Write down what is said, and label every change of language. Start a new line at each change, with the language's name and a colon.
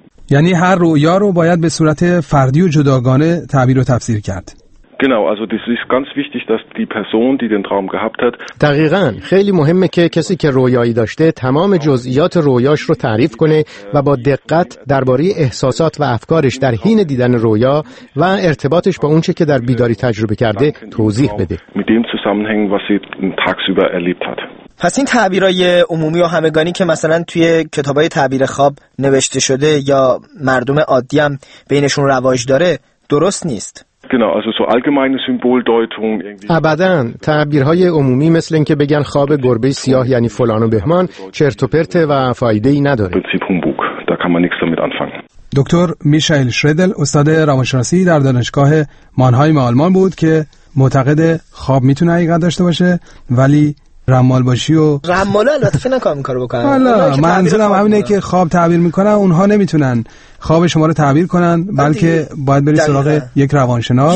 Persian: یعنی هر رویا رو باید به صورت فردی و جداگانه تعبیر و تفسیر کرد.
German: Genau, also das ist ganz wichtig, dass die Person, die den Traum gehabt hat.
Persian: دقیقاً، خیلی مهمه که کسی که رویایی داشته تمام جزئیات رویاش رو تعریف کنه و با دقت درباره احساسات و افکارش در حین دیدن رویا و ارتباطش با اونچه که در بیداری تجربه کرده توضیح بده.
German: Mit dem Zusammenhang, was sie tagsüber erlebt hat.
Persian: پس این تعبیرای عمومی و همگانی که مثلا توی کتابای تعبیر خواب نوشته شده یا مردم عادی هم بینشون رواج داره درست نیست.
German: Genau, also so allgemeine Symboldeutung irgendwie.
Persian: ابداً، تعبیرهای عمومی مثل اینکه بگن خواب گربه سیاه یعنی فلان و بهمان چرت و پرته و فایده‌ای نداره.
German: Prinzip Humbug, da kann man nichts damit anfangen.
Persian: دکتر میشائیل شریدل استاد روانشناسی در دانشگاه مانهایم آلمان بود که معتقد خواب میتونه حقیقت داشته باشه ولی رمال باشی و رمال البته فعلا کار میکنه بکنه. حالا منظورم همینه که خواب تعبیر میکنن، اونها نمیتونن خواب شما رو تعبیر کنن، بلکه باید بری سراغ یک روانشناس.